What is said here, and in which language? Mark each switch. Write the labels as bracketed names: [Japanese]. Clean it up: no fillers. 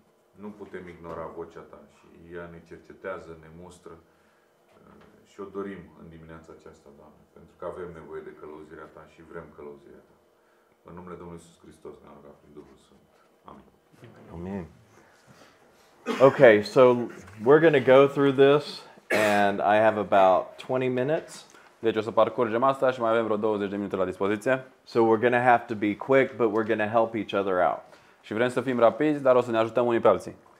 [Romanian] Nu putem ignora vocea Ta și ea ne cercetează, ne mustră și o dorim în dimineața aceasta, Doamne, pentru că avem nevoie de călăuzirea Ta și vrem călăuzirea Ta. În numele Domnului Iisus Hristos ne-am rugat prin Duhul Sfânt. Amin. Amin. [English] Okay, so we're going to go through this and I have about 20 minutes. [Romanian] Deci o să parcurgem asta și mai avem vreo 20 de minute la dispoziție. [English] So we're going to have to be quick, but we're going to help each other out. [Romanian] Și vrem să fim rapizi, dar o să ne ajutăm unii pe alții.